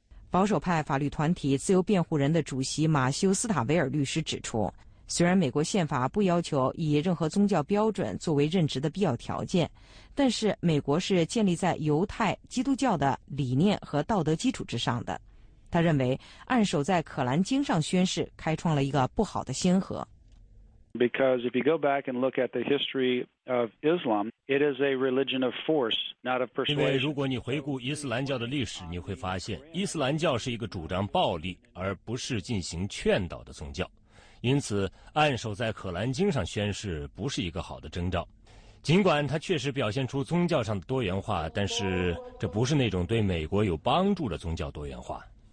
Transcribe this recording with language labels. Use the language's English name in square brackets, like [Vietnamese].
[Chinese] 保守派法律团体自由辩护人的主席马修·斯塔维尔律师指出，虽然美国宪法不要求以任何宗教标准作为任职的必要条件，但是美国是建立在犹太基督教的理念和道德基础之上的。他认为按手在可兰经上宣誓开创了一个不好的先河。 [English] Because if you go back and look at the history of Islam, it is a religion of force, not of persuasion. [Chinese] 因为如果你回顾伊斯兰教的历史，你会发现伊斯兰教是一个主张暴力而不是进行劝导的宗教。因此，按手在可兰经上宣誓不是一个好的征兆。尽管它确实表现出宗教上的多元化，但是这不是那种对美国有帮助的宗教多元化。